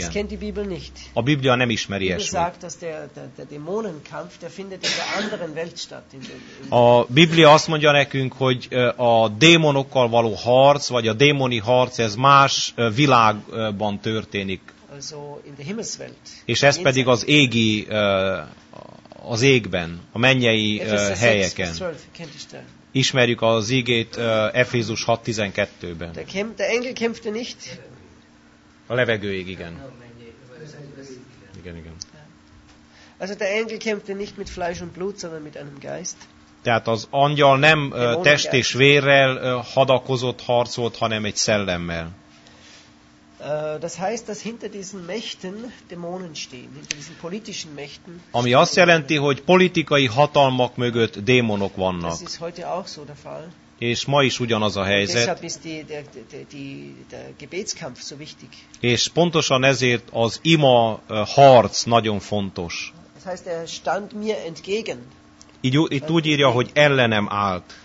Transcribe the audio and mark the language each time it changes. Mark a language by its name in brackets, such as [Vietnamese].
[German] Das kennt die Bibel nicht. [Hungarian] A Biblia nem ismeri ezt. [German] Sagt, dass der Dämonenkampf, der findet in der anderen Welt statt. [Hungarian] A Biblia azt mondja nekünk, hogy a démonokkal való harc, vagy a démoni harc, ez más világban történik. [German] Also in der Himmelswelt. [Hungarian] És ez pedig az égi, az égben, a mennyei helyeken. Ismerjük az ígét Efézus 6:12-ben. [German] Der Engel kämpfte nicht. [Hungarian] A levegőig, igen. Igen, igen. [German] Also der Engel kämpfte nicht mit Fleisch und Blut, sondern mit einem Geist. [Hungarian] Tehát az angyal nem test és vérrel hadakozott, harcolt, hanem egy szellemmel. [German] Das heißt, dass hinter diesen Mächten Dämonen stehen, hinter diesen politischen Mächten. [Hungarian] Ami azt jelenti, hogy politikai hatalmak mögött démonok vannak. [German] Das ist heute auch so der Fall. [Hungarian] És ma is ugyanaz a helyzet. [German] Deshalb ist der Gebetskampf so wichtig. [Hungarian] És pontosan ezért az ima harc nagyon fontos. [German] Das heißt, er stand mir entgegen. [Hungarian] Itt úgy írja, hogy ellenem állt.